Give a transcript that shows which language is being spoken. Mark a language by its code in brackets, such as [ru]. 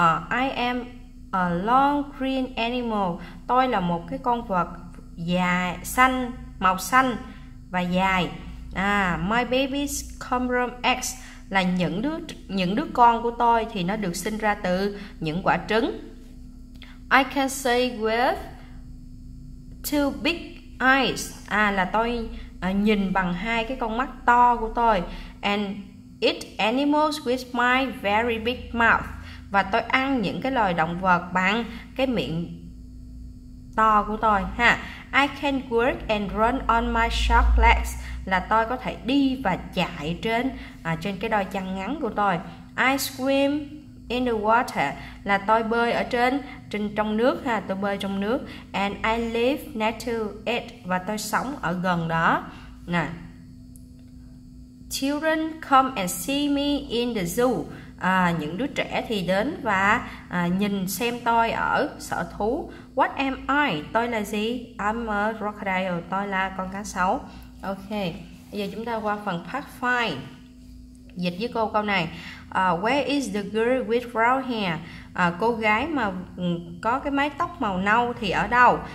[en] I am a long green animal. [vi] Tôi là một cái con vật dài xanh, màu xanh và dài. [en] My baby come from eggs [vi] là những đứa con của tôi thì nó được sinh ra từ những quả trứng. [en] I can see with two big eyes. [vi] Là tôi nhìn bằng hai cái con mắt to của tôi. [en] And eat animals with my very big mouth. [vi] Và tôi ăn những cái loài động vật bằng cái miệng to của tôi ha. [en] I can work and run on my short legs [vi] là tôi có thể đi và chạy trên trên cái đôi chân ngắn của tôi. [en] I swim in the water [vi] là tôi bơi ở trong nước ha, tôi bơi trong nước. [en] And I live next to it [vi] và tôi sống ở gần đó nè. [en] Children come and see me in the zoo. [vi] Những đứa trẻ thì đến và nhìn xem tôi ở sở thú. [en] What am I? [vi] Tôi là gì? [en] I'm a crocodile. [vi] Tôi là con cá sấu. Ok, bây giờ chúng ta qua phần part 5. Dịch với cô câu này. [en] Where is the girl with brown hair? [vi] Cô gái mà có cái mái tóc màu nâu thì ở đâu?